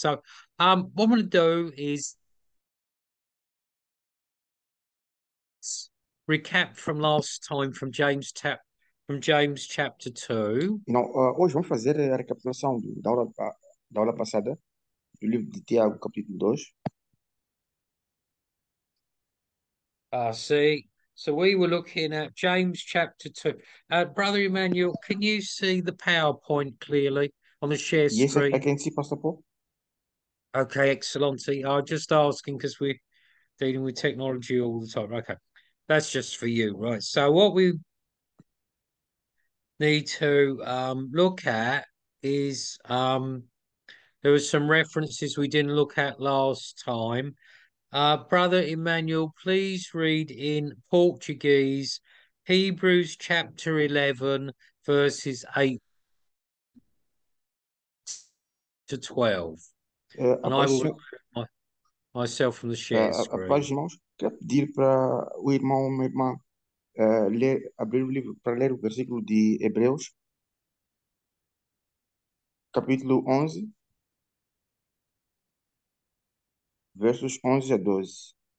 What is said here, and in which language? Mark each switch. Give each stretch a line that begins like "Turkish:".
English: So, what I'm going to do is recap from last time from James Tap. From James chapter 2.
Portuguese: Não, hoje vamos fazer a recapitulação da aula passada do livro de Tiago, capítulo 2.
English: See, so we were looking at James chapter 2. Brother Emmanuel, can you see the PowerPoint clearly on the share Yes, screen? I can see, Pastor Paul. Okay, excellent. See, I'm just asking because we're dealing with technology all the time. Okay, that's just for you, right? So what we need to look at is there were some references we didn't look at last time. Brother Emmanuel, please read in Portuguese Hebrews chapter 11, verses 8 to 12. And I will remove myself from the share screen.
Portuguese: Após, irmãos, quero pedir para o irmão ou minha irmã abrir o livro para ler o versículo de Hebreus, capítulo 11, versos 11 a 12.